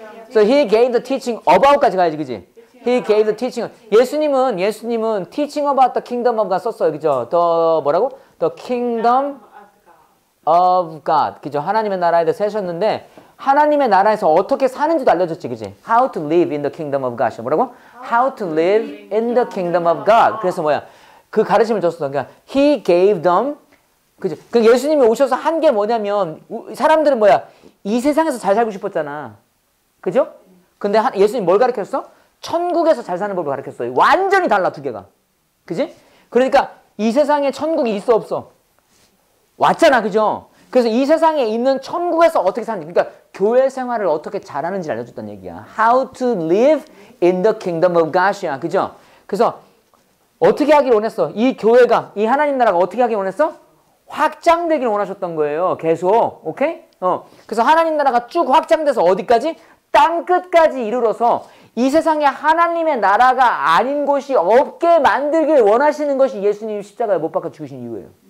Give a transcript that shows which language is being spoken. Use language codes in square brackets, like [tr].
[en] So he gave the teaching about [ko] 까지 가야지, 그지? [en] He gave the teaching. [ko] 예수님은 [en] teaching about the kingdom of God [ko] 썼어요, 그죠? [en] The [ko] 뭐라고? [en] The kingdom. of God. [ko] 그죠? 하나님의 나라에 대해서 하셨는데 하나님의 나라에서 어떻게 사는지도 알려줬지, 그지? [en] How to live in the kingdom of God. [ko] 뭐라고? [en] How to live in the kingdom of God. [ko] 그래서 뭐야? 그 가르침을 줬어. 그러니까 [en] He gave them. [ko] 그죠? 그 예수님이 오셔서 한 게 뭐냐면 사람들은 뭐야? 이 세상에서 잘 살고 싶었잖아. 그죠? 근데 예수님 뭘 가르쳤어? 천국에서 잘 사는 법을 가르쳤어. 완전히 달라, 두 개가. 그지? 그러니까 이 세상에 천국이 있어 없어? 왔잖아, 그죠? 그래서 이 세상에 있는 천국에서 어떻게 사는지, 그러니까 교회 생활을 어떻게 잘하는지 알려줬단 얘기야. [en] How to live in the kingdom of God이야, [ko] 그죠? 그래서 어떻게 하기를 원했어? 이 교회가, 이 하나님 나라가 어떻게 하기를 원했어? 확장되기를 원하셨던 거예요, 계속. 오케이? 그래서 하나님 나라가 쭉 확장돼서 어디까지? 땅끝까지 이르러서 이 세상에 하나님의 나라가 아닌 곳이 없게 만들길 원하시는 것이 예수님 십자가에 못 박아 죽으신 이유예요.